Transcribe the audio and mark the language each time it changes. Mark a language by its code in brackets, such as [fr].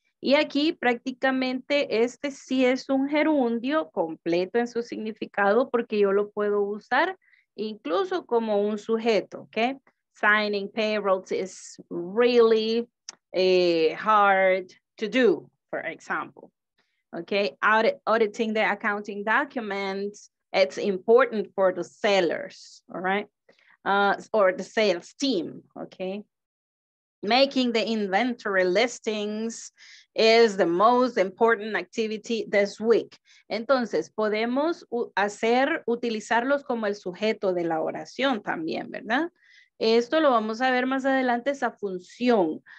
[es] Y aquí prácticamente este sí es un gerundio completo en su significado porque yo lo puedo usar incluso como un sujeto, okay? [en] Signing payrolls is really hard to do, for example. Okay, auditing the accounting documents, it's important for the sellers, all right? Or the sales team, okay? Making the inventory listings is the most important activity this week. [es] Entonces, podemos utilizarlos como el sujeto de la oración también, ¿verdad? Esto lo vamos a ver más adelante, esa función.